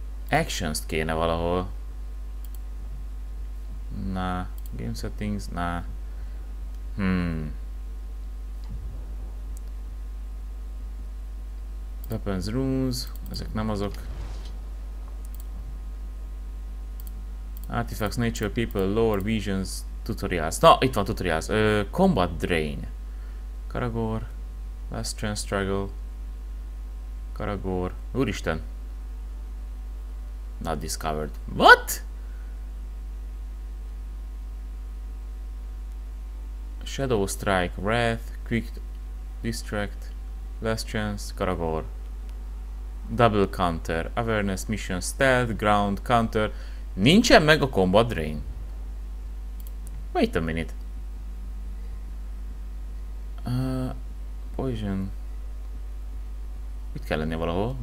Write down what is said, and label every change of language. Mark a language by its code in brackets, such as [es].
[hu] Actions-t kéne valahol. [en] Na, game settings, na. [hu] Weapons, runes, ezek nem azok. [en] Artifacts, nature, people, lore, visions, tutorials. Na, itt van tutorials. Combat drain. Karagor, last chance struggle. Karagor, úristen. Not discovered. What? Shadow strike, wrath, quick distract, last chance, Karagor. Double counter, awareness, mission, stealth, ground, counter. [hu] Nincsen meg a combat drain. Wait a minute. [en] Poison. Itt kell lennie valahol.